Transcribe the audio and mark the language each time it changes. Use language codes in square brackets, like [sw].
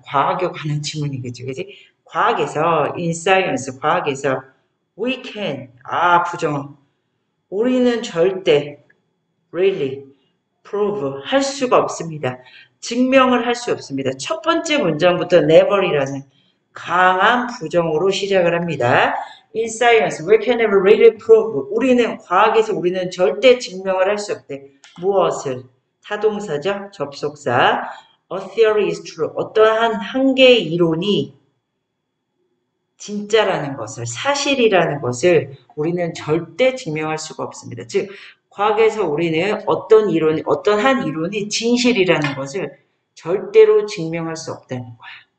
[ko] 과학에 관한 질문이겠죠, 그렇지? 과학에서 [en] in science, [ko] 과학에서 [en] we can [ko] 아 부정어 우리는 절대 [en] Really, prove, [ko] 할 수가 없습니다. 증명을 할수 없습니다. 첫 번째 문장부터 never이라는 강한 부정어로 시작을 합니다. [en] In science, we can never really prove. [ko] 우리는, 과학에서 우리는 절대 증명을 할수 없대. 무엇을? 타동사죠? [en] 접속사. A theory is true. [ko] 어떠한 한 개의 이론이 진짜라는 것을, 사실이라는 것을 우리는 절대 증명할 수가 없습니다. 즉, 과학에서 우리는 어떤 한 이론이 진실이라는 것을 절대로 증명할 수 없다는 거야.